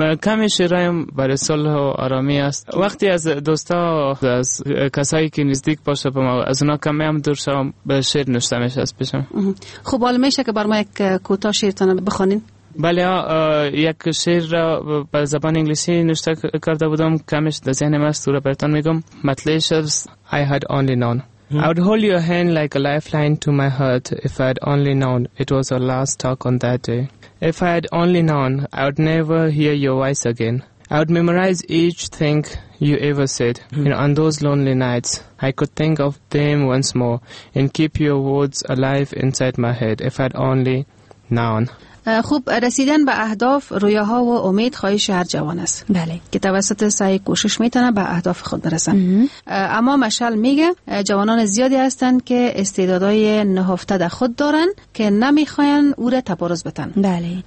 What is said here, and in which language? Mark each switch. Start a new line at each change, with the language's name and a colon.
Persian: کمی شعرهایم برای صلح و آرامی است. وقتی از دوستا از کسایی که نزدیک باشه به ما، از اونا کمی هم دور شدم، به شعر نوشته می شست بشم. خب حالا میشه که بر ما یک کوتاه شعرتان بخونین؟ بله، یک شعر را به زبان انگلیسی نوشته کرده بودم، کمش در ذهن من است، تو را برتان میگم. مطلعش است:
English: I had only known. I would hold your hand like a lifeline to my heart if I had only known it was our last talk on that day. If I had only known, I would never hear your voice again. I would memorize each thing you ever said. And on those lonely nights, I could think of them once more and keep your words alive inside my head if I had only known.
Persian: خوب، رسیدن به اهداف، رویاها و امید خواهش هر جوان است. بله، که توسط سعی کوشش میتونه به اهداف خود برسن. اما مشعل میگه جوانان زیادی هستند که استعدادهای نهفته در خود دارن که نمیخواین او را تبارز بتن. بله،